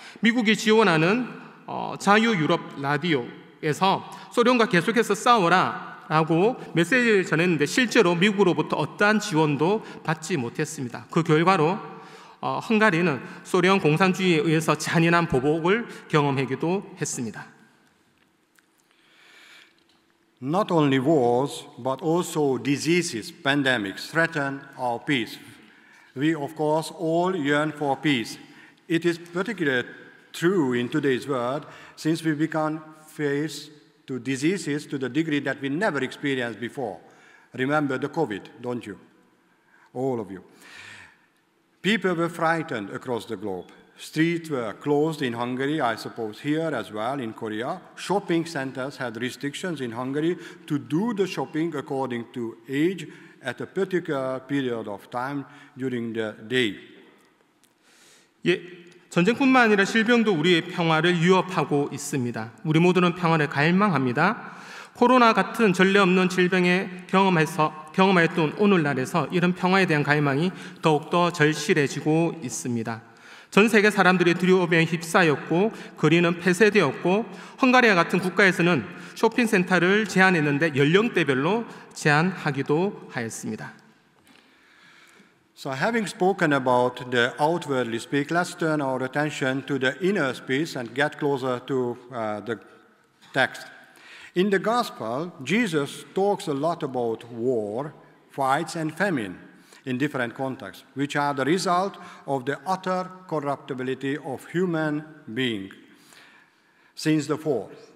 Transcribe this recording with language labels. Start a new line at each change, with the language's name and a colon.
Korean: 미국이 지원하는 자유 유럽 라디오에서 소련과 계속해서 싸워라 라고 메시지를 전했는데 실제로 미국으로부터 어떠한 지원도 받지 못했습니다. 그 결과로 헝가리는 소련 공산주의에 의해서 잔인한 보복을 경험하기도 했습니다.
English: Not only wars, but also diseases, pandemics threaten our peace. We, of course, all yearn for peace. It is particularly true in today's world, since we become face to diseases to the degree that we never experienced before. Remember the COVID, don't you? All of you. People were frightened across the globe. Streets were closed in Hungary, I suppose here as well in Korea. Shopping centers had restrictions in Hungary to do the shopping according to age at a particular period of time during the day.
Korean: 예. 전쟁뿐만 아니라 실병도 우리의 평화를 위협하고 있습니다. 우리 모두는 평화를 갈망합니다. 코로나 같은 전례 없는 질병에 경험했던 오늘날에서 이런 평화에 대한 갈망이 더욱더 절실해지고 있습니다. 전 세계 사람들이 두려움에 휩싸였고 거리는 폐쇄되었고 헝가리와 같은 국가에서는 쇼핑센터를 제한했는데 연령대별로 제한하기도 하였습니다.
English: So having spoken about the outwardly speak, let's turn our attention to the inner space and get closer to the text. In the Gospel, Jesus talks a lot about war, fights, and famine in different contexts, which are the result of the utter corruptibility of human being since the fall.